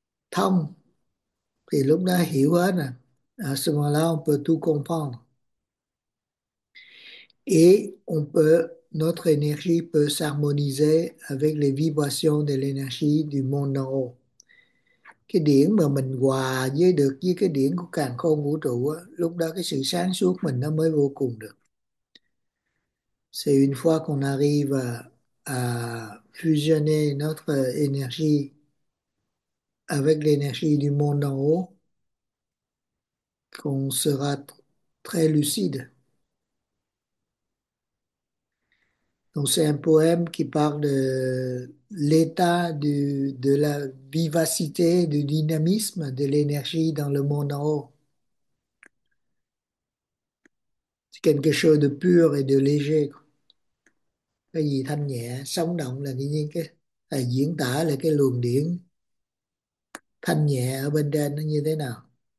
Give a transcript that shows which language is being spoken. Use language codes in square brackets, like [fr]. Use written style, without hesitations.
[vi] Thông thì lúc đó hiểu hết nè. [fr] À ce moment-là, on peut tout comprendre. Et on peut, notre énergie peut s'harmoniser avec les vibrations de l'énergie du monde en haut. [vi] Cái điển mà mình hòa với được với cái điển của càn khôn vũ trụ á, lúc đó cái sự sáng suốt mình nó mới vô cùng được. [fr] C'est une fois qu'on arrive à fusionner notre énergie avec l'énergie du monde en haut, qu'on sera très lucide. Donc c'est un poème qui parle de l'état de la vivacité, du dynamisme, de l'énergie dans le monde en haut. C'est quelque chose de pur et de léger. [vi] Cái gì thanh nhẹ, sống động là như cái là diễn tả là cái luồng điển thanh nhẹ ở bên trên nó như thế nào.